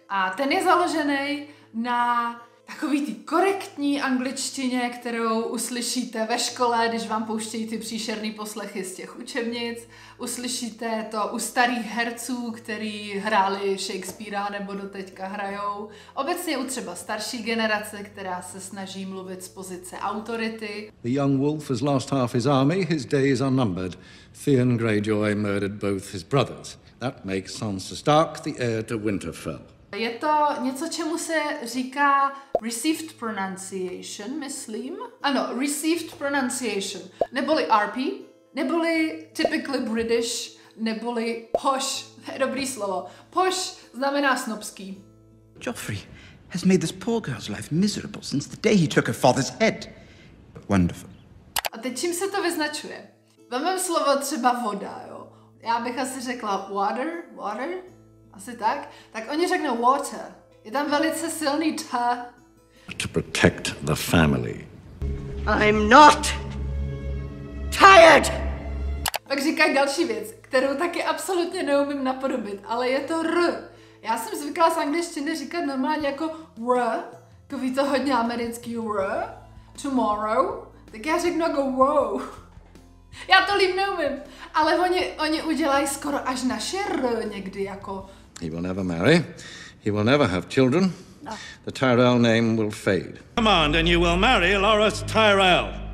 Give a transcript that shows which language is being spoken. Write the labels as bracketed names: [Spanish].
[Czech] A ten je založený na takový ty korektní angličtině, kterou uslyšíte ve škole, když vám pouštějí ty příšerný poslechy z těch učebnic. Uslyšíte to u starých herců, který hráli Shakespearea nebo doteďka hrajou. Obecně u třeba starší generace, která se snaží mluvit z pozice autority. [English] The young wolf has lost half his army, his days are numbered. Theon Greyjoy murdered both his brothers. That makes Sansa Stark the heir to Winterfell. [Czech] Je to něco, čemu se říká received pronunciation, myslím. Ano, received pronunciation, neboli RP, neboli [English] typically British, [Czech] neboli posh, to je dobrý slovo. Posh znamená snobský. [English] Joffrey has made this poor girl's life miserable since the day he took her father's head. Wonderful. [Czech] A teď čím se to vyznačuje? Vemem slovo třeba voda, jo. Já bych asi řekla water, water. Asi tak? Tak oni řeknou water. Je tam velice silný T. [English] To protect the family. I'm not tired! [Czech] Pak říkají další věc, kterou taky absolutně neumím napodobit, ale je to R. Já jsem zvykla z angličtiny říkat normálně jako R, takový to hodně americký R, tomorrow, tak já řeknu jako wow. Já to líp neumím, ale oni udělají skoro až naše R někdy jako. [English] He will never marry. He will never have children. No. The Tyrell name will fade. Come on, and you will marry Loras Tyrell.